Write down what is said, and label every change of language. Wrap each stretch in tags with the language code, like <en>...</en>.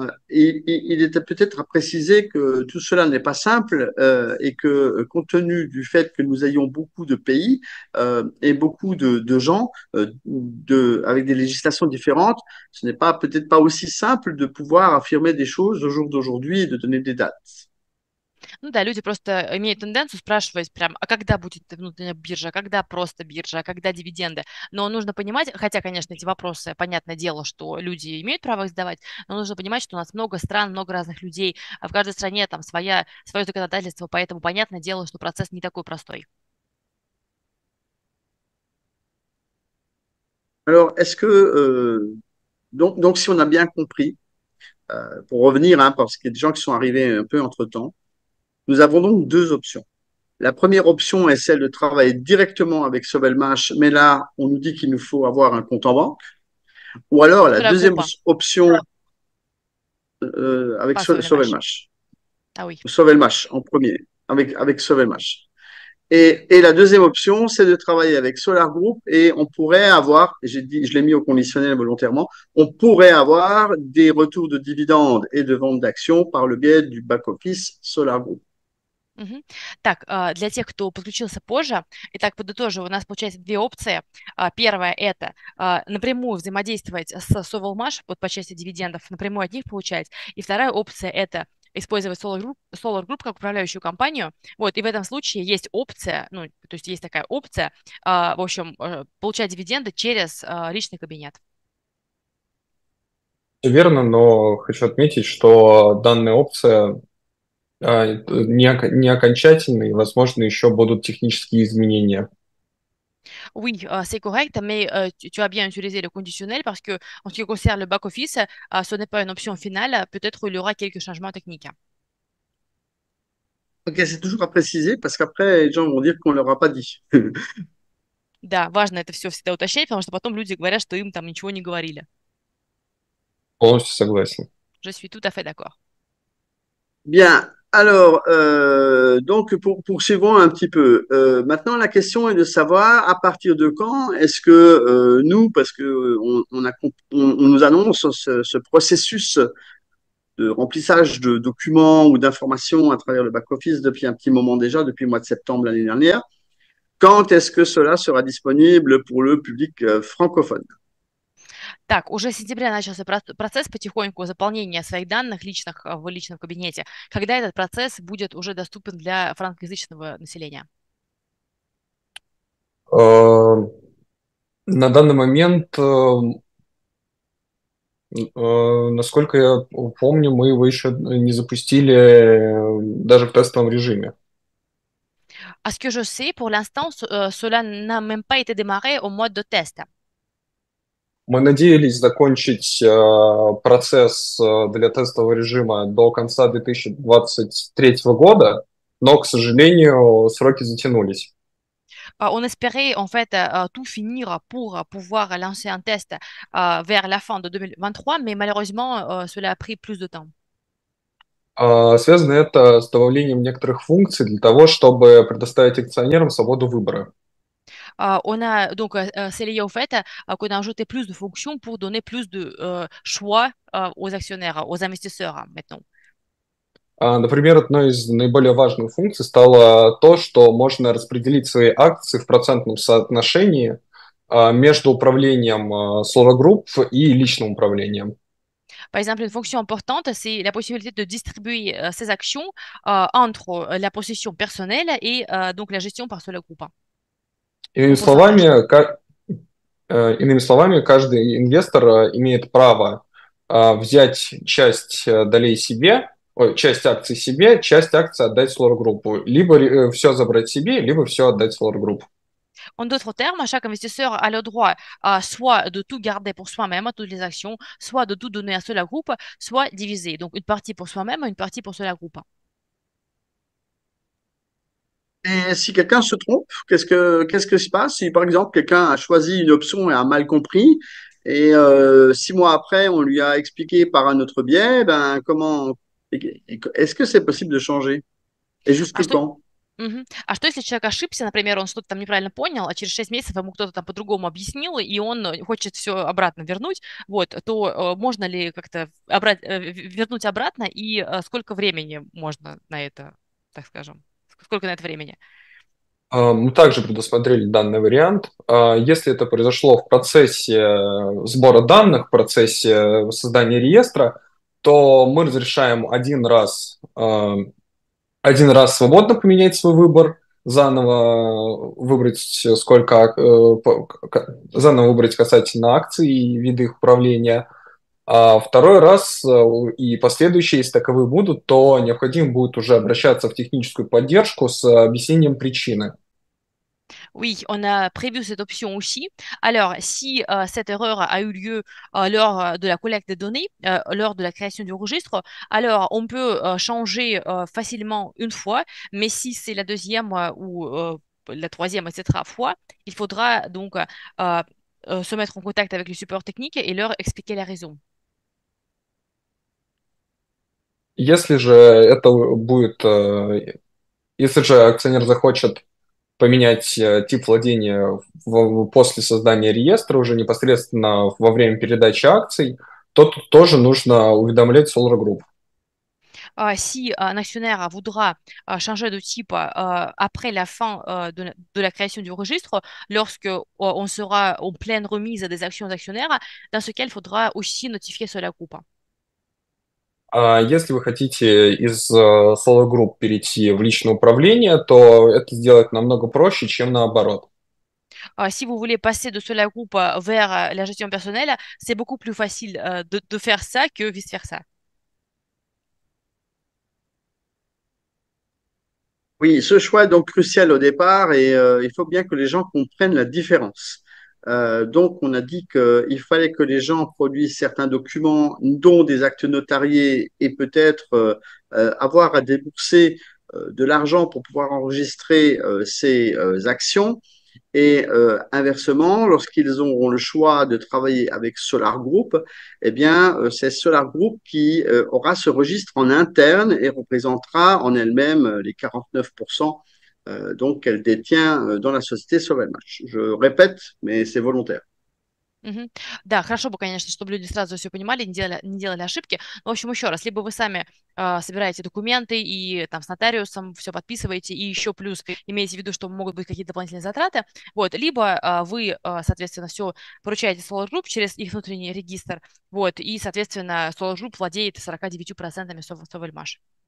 <fr>Il était peut-être à préciser que tout cela n'est pas simple et que compte tenu du fait que nous ayons beaucoup de pays et beaucoup de gens avec des législations différentes, ce n'est pas peut-être pas aussi simple de pouvoir affirmer des choses au jour d'aujourd'hui et de donner des dates.</fr> <ru>Ну да, люди просто имеют тенденцию спрашивать прям, а когда будет внутренняя биржа, когда просто биржа, когда дивиденды? Но нужно понимать, хотя, конечно, эти вопросы, понятное дело, что люди имеют право их задавать, но нужно понимать, что у нас много стран, много разных людей, а в каждой стране там свое законодательство, поэтому понятное дело, что процесс не такой простой.</ru> <fr>Alors, est-ce que, donc, si on a bien compris, pour revenir, hein, parce qu'il y a des gens qui sont arrivés un peu entre-temps, nous avons donc deux options. La première option est celle de travailler directement avec Sobelmash, mais là, on nous dit qu'il nous faut avoir un compte en banque. Ou alors, la Sur la deuxième groupe. option, avec Pas sur les mâches. Sobelmash. Ah oui. Sauver le match en premier, avec sauver le match. Et la deuxième option, c'est de travailler avec Solar Group et on pourrait avoir, je l'ai mis au conditionnel volontairement, on pourrait avoir des retours de dividendes et de ventes d'actions par le biais du back-office Solar Group.</fr> <ru>Так, для тех, кто подключился позже, итак, подытожу, у нас получается две опции. Первое – это напрямую взаимодействовать с Совелмаш вот, по части дивидендов, напрямую от них получать. И вторая опция – это использовать Solar Group как управляющую компанию. Вот, и в этом случае есть опция, ну, то есть есть такая опция, в общем, получать дивиденды через личный кабинет. Верно, но хочу отметить, что данная опция не окончательна, и, возможно, еще будут технические изменения.</ru> <fr>Oui, c'est correct, mais tu as bien utilisé le conditionnel parce que en ce qui concerne le back-office, ce n'est pas une option finale. Peut-être qu'il y aura quelques changements techniques. Ok, c'est toujours à préciser parce qu'après, les gens vont dire qu'on ne leur a pas dit.</fr> <ru>Да, важно это все всегда уточнять, потому что потом люди говорят, что им там ничего не говорили. Полностью согласен.</ru> <fr>Je suis tout à fait d'accord. Bien, alors, donc poursuivons un petit peu. Maintenant, la question est de savoir à partir de quand est-ce que nous, parce que on nous annonce ce processus de remplissage de documents ou d'informations à travers le back-office depuis un petit moment déjà, depuis le mois de septembre l'année dernière, quand est-ce que cela sera disponible pour le public francophone?</fr> <ru>Так, уже с сентября начался процесс потихоньку заполнения своих данных личных в личном кабинете. Когда этот процесс будет уже доступен для франкоязычного населения? На данный момент, насколько я помню, мы его еще не запустили даже в тестовом режиме.</ru> <fr>À ce que je sais, pour l'instant, cela n'a même pas été démarré au mode de test.</fr> <ru>Мы надеялись закончить процесс для тестового режима до конца 2023 года, но, к сожалению, сроки затянулись.</ru> <fr>On espérait en fait tout finir pour pouvoir lancer un test vers la fin de 2023, mais malheureusement cela a pris plus de temps.</fr> <ru>Связано это с добавлением некоторых функций для того, чтобы предоставить акционерам свободу выбора.</ru> <fr>On a donc c'est lié au fait qu'on a ajouté plus de fonctions pour donner plus de choix aux actionnaires, aux investisseurs maintenant.</fr> <ru>Например, одной из наиболее важных функций стало то, что можно распределить свои акции в процентном соотношении между управлением Solar Group и личным управлением.</ru> <fr>Par exemple, une fonction importante, c'est la possibilité de distribuer ses actions entre la possession personnelle et donc la gestion par Solar Group en pourcentage.</fr> <ru>Иными словами, каждый инвестор имеет право взять часть долей себе, часть акций себе, часть акций отдать Solar Group. Либо все забрать себе, либо все отдать Solar Group.</ru> <fr>En d'autres termes, chaque investisseur a le droit soit de tout garder pour soi-même, toutes les actions, soit de tout donner à Solar Group, soit diviser. Donc une partie pour soi-même, une partie pour Solar Group. Et si quelqu'un se trompe, qu'est-ce que se passe si, par exemple, quelqu'un a choisi une option et a mal compris, et 6 mois après, on lui a expliqué par un autre biais, ben comment est-ce que c'est possible de changer? Et</fr> <ru>А</ru> <fr>jusqu'à</fr> <ru>что?</ru> <fr>quand?</fr> <ru>А что, если человек ошибся, например, он что-то там неправильно понял, а через 6 месяцев ему кто-то там по-другому объяснил, и он хочет все обратно вернуть, вот, то можно ли как-то вернуть обратно, и сколько времени можно на это, так скажем, сколько на это времени? Мы также предусмотрели данный вариант. Если это произошло в процессе сбора данных, в процессе создания реестра, то мы разрешаем один раз свободно поменять свой выбор, заново выбрать касательно акций и виды их управления. А второй раз и последующие, если таковые будут, то необходимо будет уже обращаться в техническую поддержку с объяснением причины.</ru> <fr>Oui, on a prévu cette option aussi. Alors, si cette erreur a eu lieu lors de la collecte des données, lors de la création du registre, alors on peut changer facilement une fois, mais si c'est la deuxième ou la troisième, etc. fois, il faudra donc se mettre en contact avec le support technique et leur expliquer la raison.</fr> <ru>Если же это будет, если же акционер захочет поменять тип владения после создания реестра, уже непосредственно во время передачи акций, то тут тоже нужно уведомлять Solar Group.</ru> <fr>Si un actionnaire voudra changer de type après la fin de la création du registre, lorsque on sera en pleine remise des actions aux actionnaires, dans ce cas, il faudra aussi notifier cela au groupe.</fr> <ru>А если вы хотите из Solar Group перейти в личное управление, то это сделать намного проще, чем наоборот.</ru> <fr>Si vous voulez passer de cela au groupe vers la gestion personnelle, c'est beaucoup plus facile de faire ça que vice-versa. Oui, ce choix est donc crucial au départ et il faut bien que les gens comprennent la différence. Donc, on a dit qu'il fallait que les gens produisent certains documents, dont des actes notariés, et peut-être avoir à débourser de l'argent pour pouvoir enregistrer ces actions. Et inversement, lorsqu'ils auront le choix de travailler avec Solar Group, eh bien, c'est Solar Group qui aura ce registre en interne et représentera en elle-même les 49%. Donc, elle détient dans la société Solvalmatch. Je répète, mais c'est volontaire.</fr> <ru>Да, хорошо бы, конечно, чтобы люди сразу все понимали, не делали ошибки. Но, в общем, еще раз, либо вы сами собираете документы и там с нотариусом все подписываете, и еще плюс имеете в виду, что могут быть какие-то дополнительные затраты, вот, либо вы, соответственно, все поручаете Solar Group через их внутренний регистр, вот, и, соответственно, Solar Group владеет 49% Sovelmash.</ru>